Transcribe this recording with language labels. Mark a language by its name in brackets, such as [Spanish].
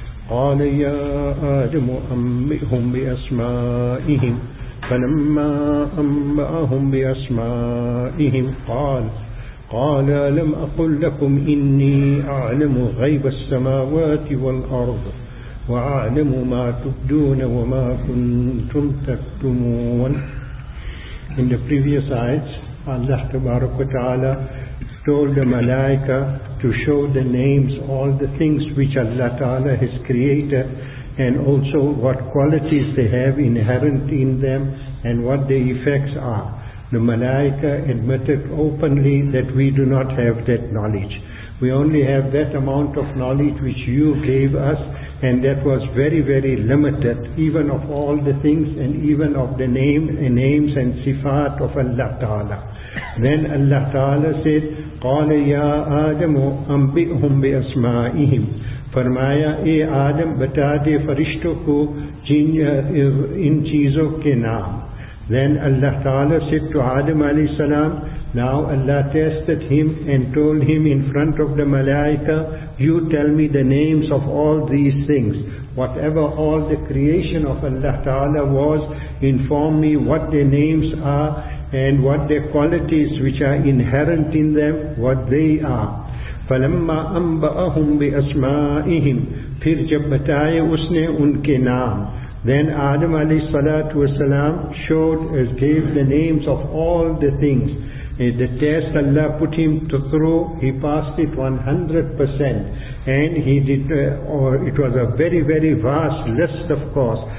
[Arabic] قال يا آدم أنبئهم بأسمائهم فلما أنبأهم بأسمائهم قال لم أقل لكم إني أعلم غيب السماوات والأرض وأعلم ما تبدون وما كنتم تكتمون. [English] In the previous ayats, Allah Tabaraka wa Ta'ala told the Malaika to show the names, all the things which Allah Ta'ala has created, and also what qualities they have inherent in them and what the effects are. The Malaika admitted openly that we do not have that knowledge. We only have that amount of knowledge which you gave us, and that was very, very limited, even of all the things and even of the names and sifat of Allah Ta'ala. Then Allah Ta'ala said, [Arabic] قَالَ يَا آدَمُ أَنْبِئْهُمْ بِأَسْمَائِهِمْ. [Urdu] فرمایا اے آدم بتا دے فرشتوں کو ان چیزوں کے نام. [English] Then Allah Ta'ala said to Adam alayhi salam, now Allah tested him and told him in front of the Malaika, you tell me the names of all these things. Whatever all the creation of Allah Ta'ala was, inform me what their names are and what their qualities which are inherent in them, what they are. [Arabic] فَلَمَّا أَنْبَأَهُمْ بِأَسْمَائِهِمْ. [Urdu] پھر جب بتائے اس نے ان کے نام. [English] Then Adam alayhi salatu wa salam gave the names of all the things. The test Allah put him to throw, he passed it 100%. And he did, it was a very, very vast list of course.